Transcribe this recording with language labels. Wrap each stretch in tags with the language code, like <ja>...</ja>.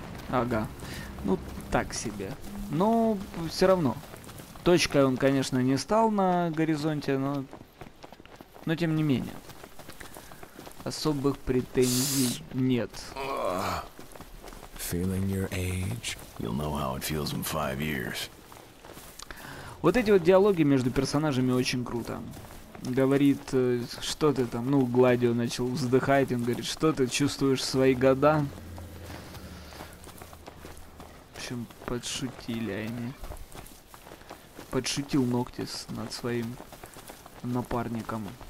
<ru>Ага. Ну, так себе. Но все равно. Точкой он, конечно, не стал на горизонте, но... Но тем не менее, особых претензий нет.</ru> <en>Feeling your age, you'll know how it feels in 5 years.</en> <ru>Вот эти вот диалоги между персонажами очень круто. Говорит, что ты там, ну, Гладио начал вздыхать, он говорит, что ты чувствуешь свои года. В общем, подшутили они. Подшутил Ноктис над своим напарником.</ru>